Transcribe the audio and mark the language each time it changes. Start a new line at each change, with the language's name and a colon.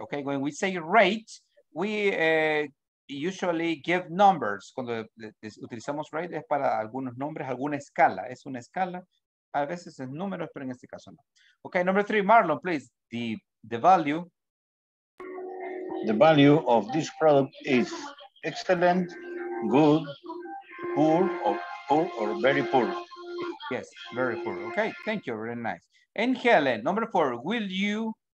English: Okay, when we say rate, we usually give numbers.
Spanish: Cuando utilizamos rate, es para algunos nombres, alguna escala. Es una escala. A veces es números, pero en este caso no.
English: Okay, number three, Marlon, please. The value. The value of this product is excellent, good, poor, or poor, or very poor. Yes, very poor. Okay, thank you. Very nice. And Helen, number four, will you?